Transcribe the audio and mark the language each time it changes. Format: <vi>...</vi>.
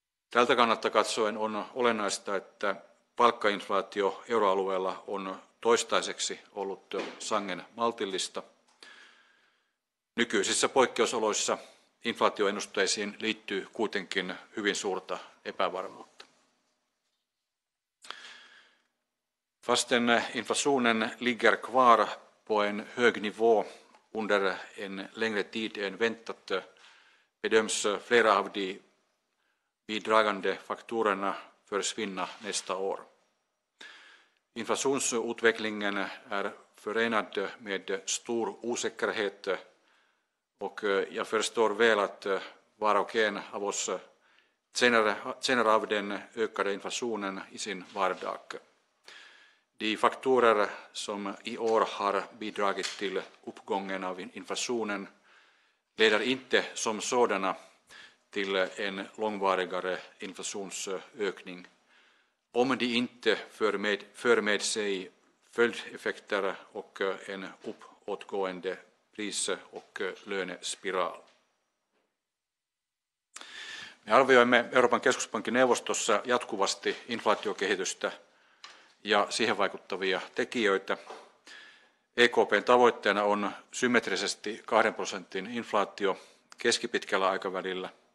<fi>Tältä kannalta katsoen on olennaista, että palkkainflaatio euroalueella on toistaiseksi ollut sangen maltillista. Nykyisissä poikkeusoloissa inflaatioennusteisiin liittyy kuitenkin hyvin suurta epävarmuutta.</fi> <sv>Fasten inflationen ligger kvar på en hög nivå under en längre tid än väntat, bedöms flera av de bidragande faktorerna försvinna nästa år. Inflationsutvecklingen är förenad med stor osäkerhet, och jag förstår väl att var och en av oss känner av den ökade inflationen i sin vardag. De faktorer som i år har bidragit till uppgången av inflationen leder inte som sådana till en långvarigare inflationsökning, om de inte för med sig följdeffekter och en uppåtgående pris- och lönespiral.</sv> <fi>Me arvioimme Euroopan keskuspankin neuvostossa jatkuvasti inflaatiokehitystä ja siihen vaikuttavia tekijöitä. EKP:n tavoitteena on symmetrisesti 2% inflaatio keskipitkällä aikavälillä.</fi>